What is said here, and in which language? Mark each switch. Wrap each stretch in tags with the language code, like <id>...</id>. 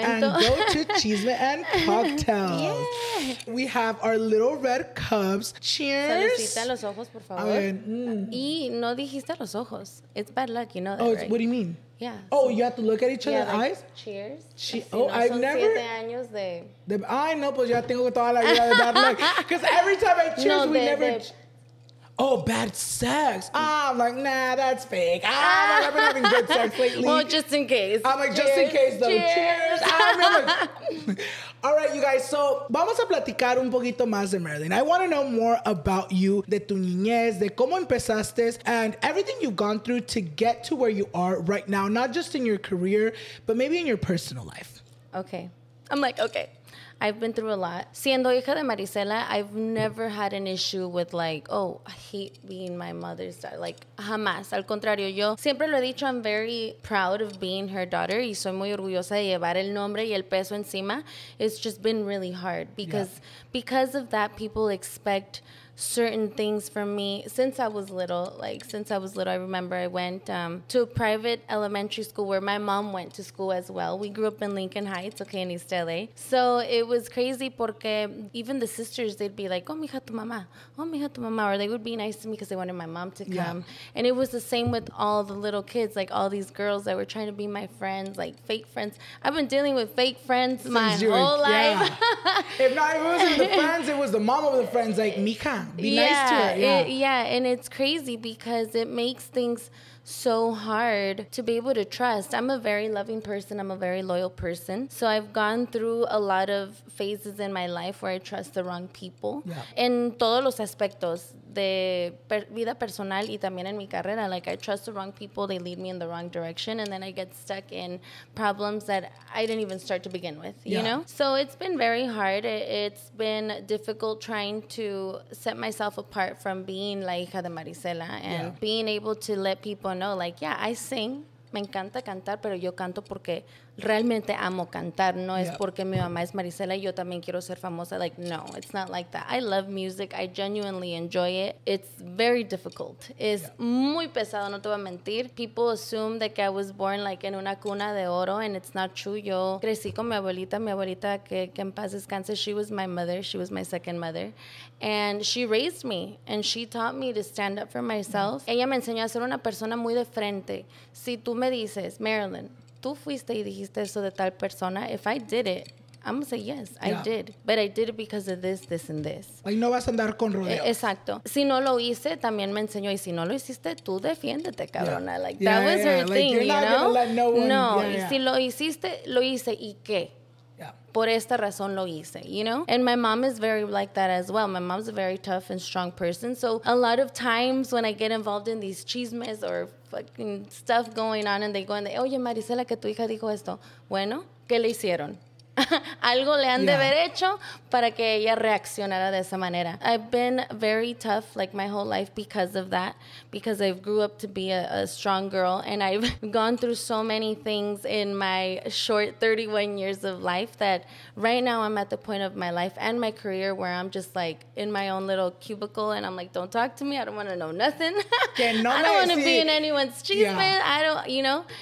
<en>and go to Chisme and Cocktails. Yeah. We have our little red cups. Cheers.</en> <es>Solicita los ojos, por favor. Y no dijiste los ojos.</es> <en>It's bad luck, you know that, oh, right? What do you mean? Yeah. Oh, so, you have to look at each other's eyes? Cheers. I've</en> <es>son</es> <en>never...</en> <es>Siete años de... Ay, no, pues ya tengo toda la vida de</es> <en>bad luck. Because every time I cheers, no, we never... Oh, bad sex. Oh, I'm like, nah, that's fake. Oh, I've been having good sex lately. Well, just in case. I'm like, just in case, though. Cheers. All right, you guys. So,</en> <es>vamos a platicar un poquito más de Marilyn.</es> <en>I want to know more about you,</en> <es>de tu niñez, de cómo empezaste,</es> <en>and everything you've gone through to get to where you are right now, not just in your career, but maybe in your personal life. Okay. I'm like, okay. I've been through a lot.</en> <es>Siendo hija de Marisela,</es> <en>I've never had an issue with like, oh, I hate being my mother's daughter. Like,</en> <es>jamás. Al contrario, yo siempre lo he dicho,</es> <en>I'm very proud of being her daughter.</en> <es>Y soy muy orgullosa de llevar el nombre y el peso encima.</es> <en>It's just been really hard. Because of that, people expect certain things from me since I was little. Like, since I was little, I remember I went to a private elementary school where my mom went to school as well. We grew up in Lincoln Heights, okay, in East LA. So it was crazy</en> <es>porque</es> <en>even the sisters, they'd be like,</en> <es>oh, mija, tu mama.</es> <en>Oh, mija, tu mama. Or they would be nice to me because they wanted my mom to come. Yeah. And it was the same with all the little kids, like all these girls that were trying to be my friends, like fake friends. I've been dealing with fake friends my whole life. Yeah. if it wasn't the friends, it was the mom of the friends, like, mija. Be nice to her. And it's crazy because it makes things so hard to be able to trust. I'm a very loving person. I'm a very loyal person. So I've gone through a lot of phases in my life where I trust the wrong people. Yeah.</en> <es>En todos los aspectos de vida personal y también en mi carrera.</es> <en>Like, I trust the wrong people. They lead me in the wrong direction. And then I get stuck in problems that I didn't even start to begin with, you know? So it's been very hard. It's been difficult trying to set myself apart from being</en> <es>la hija de Marisela</es> <en>and being able to let people know, like, yeah, I sing.</en> <es>Me encanta cantar, pero yo canto porque realmente amo cantar. No es porque mi mamá es Marisela y yo también quiero ser famosa.</es> <en>Like, no, it's not like that. I love music. I genuinely enjoy it. It's very difficult.</en> <es>Es muy pesado, no te voy a mentir.</es> <en>People assume that I was born like in</en> <es>una cuna de oro,</es> <en>and it's not true.</en> <es>Yo crecí con mi abuelita. Mi abuelita, que en paz descanse,</es> <en>she was my mother. She was my second mother. And she raised me, and she taught me to stand up for myself.</en> <es>Ella me enseñó a ser una persona muy de frente. Si tú me dices, Marilyn, tú fuiste y dijiste eso de tal persona,</es> <en>if I did it, I'm going to say yes, I did. But I did it because of this, this, and this.</en> <es>Ay, no vas a andar con rodeos. Exacto. Si no lo hice, también me enseñó. Y si no lo hiciste, tú defiéndete, cabrona. Yeah.</es> <en>Like, that was her thing, you're not going to let no one.</en> <es>No, y si lo hiciste, lo hice. ¿Y qué? Por esta razón lo hice,</es> <en>you know? And my mom is very like that as well. My mom's a very tough and strong person. So a lot of times when I get involved in these chismes or fucking stuff going on, and they go,</en> <es>oye, Marisela, que tu hija dijo esto. Bueno, ¿qué le hicieron? Algo le han de haber hecho para que ella reaccionara de esa manera.</es> <en>I've been very tough like my whole life because of that, because I've grew up to be a strong girl, and I've gone through so many things in my short 31 years of life that right now I'm at the point of my life and my career where I'm just like in my own little cubicle, and I'm like, don't talk to me, I don't want to know nothing. I don't want to be in anyone's cheese, man. I don't, you know,</en>